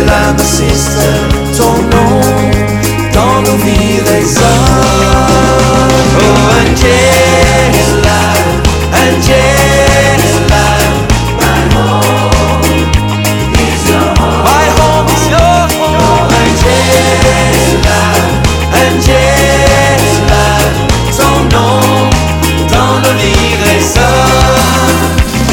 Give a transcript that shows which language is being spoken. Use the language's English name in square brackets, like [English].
[English] my sister, [French] ton nom dans nos vies résonne. [English] Oh Angela, Angela, my home is your home. My home is your home. [French] Oh Angela, Angela, ton nom dans nos vies résonne.